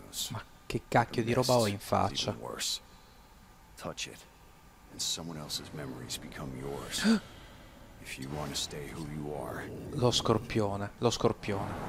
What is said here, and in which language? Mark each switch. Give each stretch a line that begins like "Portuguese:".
Italian: Ma che cacchio di roba ho in faccia?
English: Touch it, and someone else's memories become yours. If you want to stay who you are.
Italian: Lo scorpione, lo scorpione.